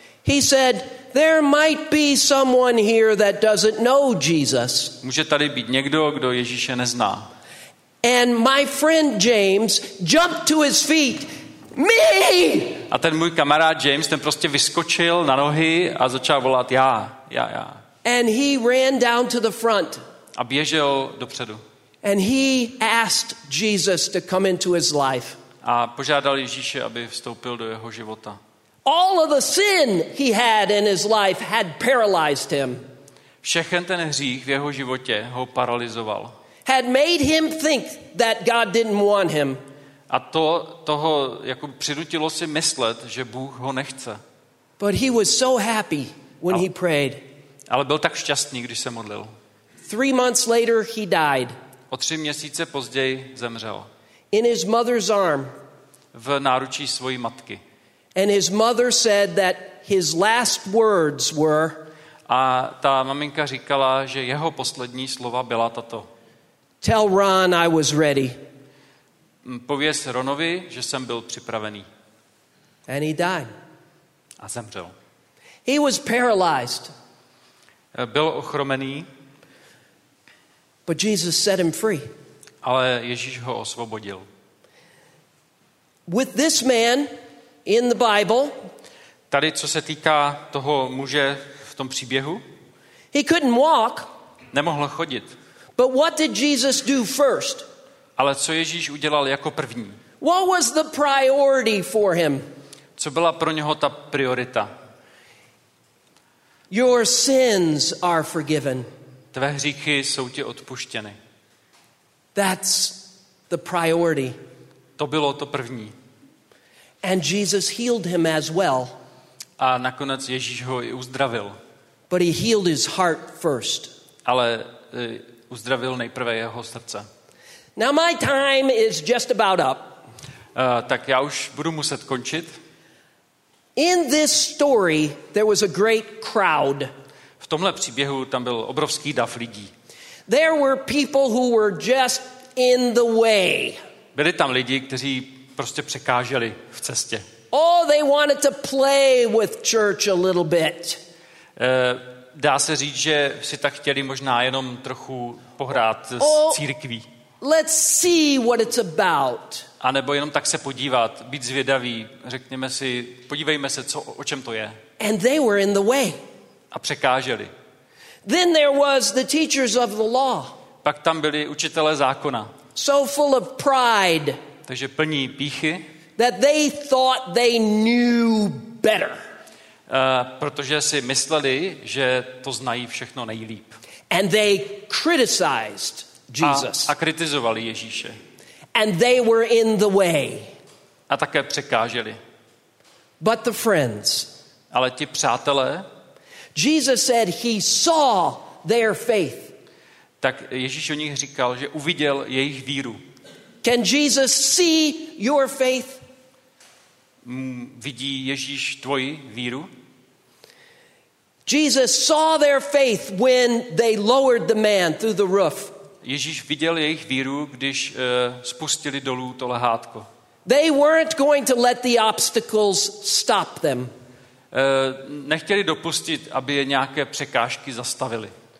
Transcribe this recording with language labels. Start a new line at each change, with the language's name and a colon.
English: He said, "There might be someone here that doesn't know Jesus."
Czech: Může tady být někdo, kdo Ježíše nezná.
English: And my friend James jumped to his feet. Me!
Czech: A ten můj kamarád James, ten prostě vyskočil na nohy a začal volat já.
English: And he ran down to the front.
Czech: A běžel dopředu.
English: And he asked Jesus to come into his life.
Czech: A požádal Ježíše, aby vstoupil do jeho života.
English: All of the sin he had in his life had paralyzed him.
Czech: Všechen ten hřích v jeho životě ho paralyzoval.
English: Had made him think that God didn't want him.
Czech: A to toho jako přinutilo si myslet, že Bůh ho nechce.
English: But he was so happy when he prayed.
Czech: Ale byl tak šťastný, když se modlil.
English: 3 months later he died.
Czech: O 3 měsíce později zemřel.
English: In his mother's arm.
Czech: V náručí svojí matky.
English: And his mother said that his last words were.
Czech: A ta maminka říkala, že jeho poslední slova byla tato.
English: Tell Ron I was ready.
Czech: Pověz Ronovi, že jsem byl připravený.
English: And he died.
Czech: A zemřel.
English: He was paralyzed.
Czech: Byl ochromený.
English: But Jesus set him free.
Czech: Ale Ježíš ho osvobodil.
English: With this man in the Bible.
Czech: Tady co se týká toho muže v tom příběhu.
English: He couldn't walk.
Czech: Nemohl chodit.
English: But what did Jesus do first?
Czech: Ale co Ježíš udělal jako první?
English: What was the priority for him?
Czech: Co byla pro něho ta priorita?
English: Your sins are forgiven.
Czech: Tvé hříchy jsou ti odpuštěny.
English: That's the priority.
Czech: To bylo to první.
English: And Jesus healed him as well.
Czech: A nakonec Ježíš ho i uzdravil.
English: But he healed his heart first.
Czech: Ale uzdravil nejprve jeho srdce.
English: Now my time is just about up.
Czech: Tak já už budu muset končit.
English: In this story there was a great crowd.
Czech: V tomhle příběhu tam byl obrovský dav lidí.
English: There were people who were just in the way.
Czech: Byli tam lidi, kteří prostě překáželi v cestě.
English: Oh, they wanted to play with church a little bit.
Czech: Dá se říct, že si tak chtěli možná jenom trochu pohrát s církví.
English: Let's see what it's about.
Czech: A nebo jenom tak se podívat, být zvědavý, řekněme si, podívejme se, co, o čem to je.
English: And they were in the way.
Czech: A překáželi.
English: Then there was the teachers of the law.
Czech: Pak tam byli učitelé zákona.
English: So full of pride.
Czech: Takže plní pýchy.
English: That they thought they knew better.
Czech: Protože si mysleli, že to znají všechno nejlíp.
English: And they criticized Jesus.
Czech: A kritizovali Ježíše.
English: And they were in the way.
Czech: A také překáželi.
English: But the friends.
Czech: Ale ti přátelé.
English: Jesus said he saw their faith.
Czech: Tak Ježíš o nich říkal, že uviděl jejich víru.
English: Can Jesus see your faith?
Czech: Vidí Ježíš tvoji víru?
English: Jesus saw their faith when they lowered the man through the roof.
Czech: Ježíš viděl jejich víru, když spustili dolů to lehátko.
English: They weren't going to let the obstacles stop them.
Czech: Nechtěli dopustit, aby je nějaké překážky zastavili.